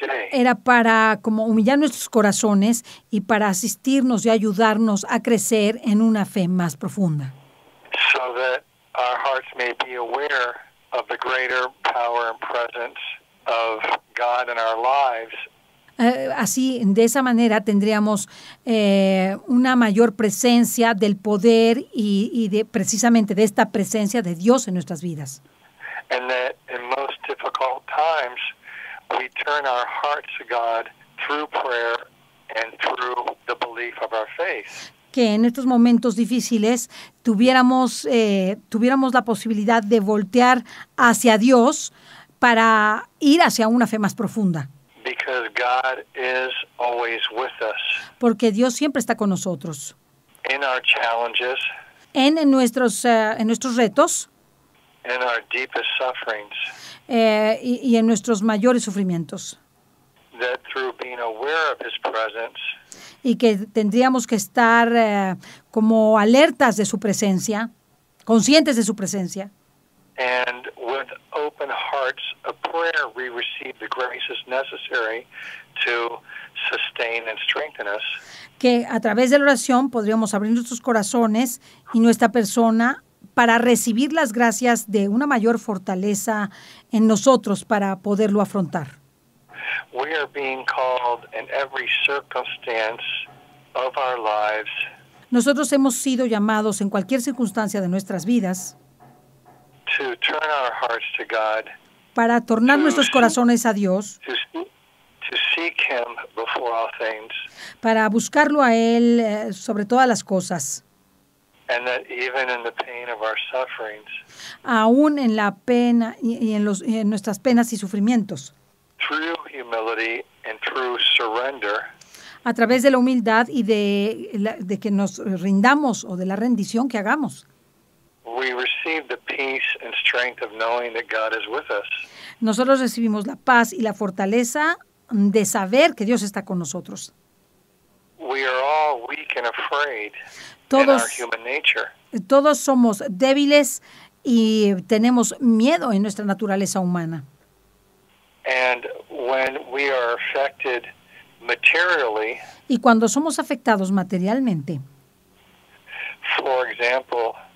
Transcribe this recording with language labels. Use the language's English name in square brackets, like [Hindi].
[Spanish] Era para como humillar nuestros corazones y para asistirnos y ayudarnos a crecer en una fe más profunda. [English] So that our hearts may be aware of the greater power and presence of God in our lives. [Spanish] Así, de esa manera, tendríamos una mayor presencia del poder y de precisamente de esta presencia de Dios en nuestras vidas. [English] And that in most difficult times, we turn our hearts to God through prayer and through the belief of our faith. [Spanish] Que en estos momentos difíciles tuviéramos la posibilidad de voltear hacia Dios para ir hacia una fe más profunda. [English] Because God is always with us. [Spanish] Porque Dios siempre está con nosotros. [English] In our challenges. [Spanish] En nuestros retos. [English] In our deepest sufferings. [Spanish] Y en nuestros mayores sufrimientos. [English] That through being aware of his presence. [Spanish] Y que tendríamos que estar como alertas de su presencia, conscientes de su presencia. [English] And with open hearts of prayer, we receive the graces necessary to sustain and strengthen us. [Spanish] Que a través de la oración podríamos abrir nuestros corazones y nuestra persona para recibir las gracias de una mayor fortaleza en nosotros para poderlo afrontar. [English] We are being called in every circumstance of our lives. [Spanish] Nosotros hemos sido llamados en cualquier circunstancia de nuestras vidas [English] to turn our hearts to God, [Spanish] para tornar nuestros corazones a Dios, [English] to seek him before all things, [Spanish] para buscarlo a Él sobre todas las cosas, [English] and that even in the pain of our sufferings, [Spanish] aún en la pena y en nuestras penas y sufrimientos, [English] true humility and true surrender, [Spanish] a través de la humildad y de que nos rindamos o de la rendición que hagamos, [English] we receive the peace and strength of knowing that God is with us. [Spanish] Nosotros recibimos la paz y la fortaleza de saber que Dios está con nosotros. [English] We are all weak and afraid in our human nature. [Spanish] Todos somos débiles y tenemos miedo en nuestra naturaleza humana. [English] And when we are affected materially, [Spanish] y cuando somos afectados materialmente, [English] for example,